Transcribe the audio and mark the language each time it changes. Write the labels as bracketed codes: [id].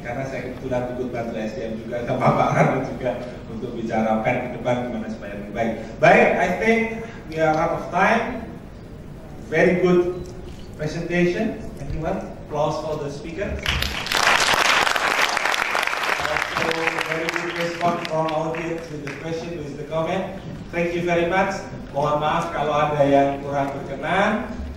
[id] Karena saya kebetulan ikut bantu SDM juga, sama Bapak Rano juga, untuk bicarakan ke depan gimana supaya lebih baik. [en] Baik, I think we are out of time. Very good presentation. Applause for the speaker. Also, very good response from audience with the question, with the comment. Thank you very much. [id] Mohon maaf kalau ada yang kurang berkenan.